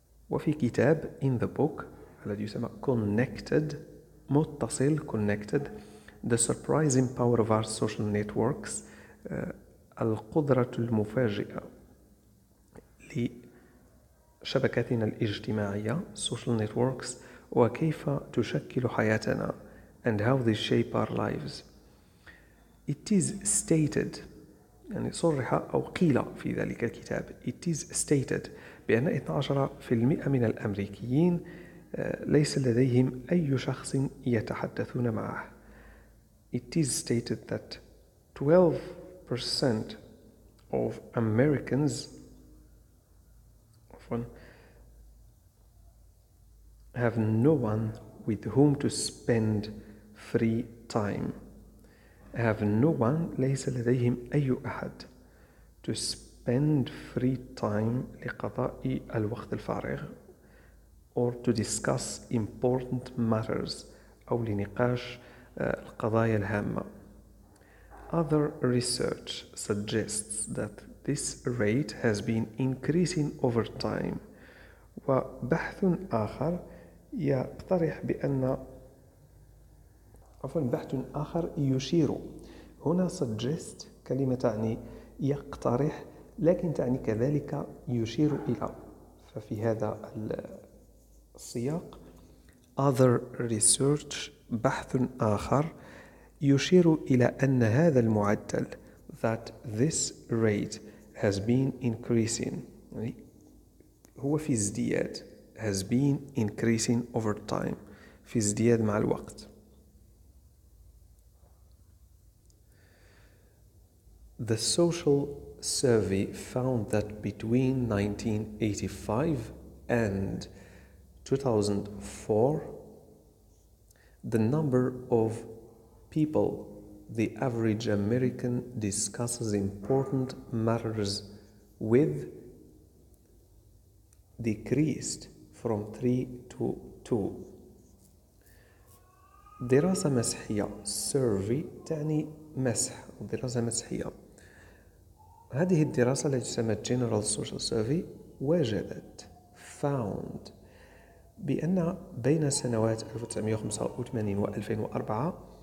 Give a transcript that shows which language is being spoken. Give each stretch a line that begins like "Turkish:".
Arabic: وفي كتاب,
English: in the book,
Arabic: الذي يسمى
English: connected, متصل, connected, The Surprising Power of Our Social Networks,
Arabic: القدرة المفاجئة لشبكاتنا الاجتماعية,
English: social networks,
Arabic: وكيف تشكل حياتنا,
English: and how they shape our lives. It is stated,
Arabic: يعني صرح أو قيل في ذلك الكتاب, it is stated, بأن 12% من الأمريكيين ليس لديهم أي شخص يتحدثون معه.
English: It is stated that 12% of Americans have no one with whom to spend free time. Have no one,
Arabic: ليس لديهم أي أحد,
English: to spend free time,
Arabic: لقضاء الوقت الفارغ,
English: or to discuss important matters,
Arabic: أو لنقاش القضايا الهامة.
English: Other research suggests that this rate has been increasing over time.
Arabic: وبحث آخر يقترح بأن, عفوا, بحث آخر يشير هنا, suggest كلمة تعني يقترح لكن تعني كذلك يشير إلى, ففي هذا السياق
English: other research
Arabic: بحث آخر يشير إلى أن هذا المعدل
English: that this rate has been increasing
Arabic: يعني هو في ازدياد
English: has been increasing over time
Arabic: في ازدياد مع الوقت.
English: The social survey found that between 1985 and 2004 the number of people the average American discusses important matters with decreased from 3 to 2.
Arabic: دراسة مسحية survey تعني مسح دراسة مسحية. هذه الدراسة التي تسمى General Social Survey وجدت found بأن بين سنوات 1985 و 2004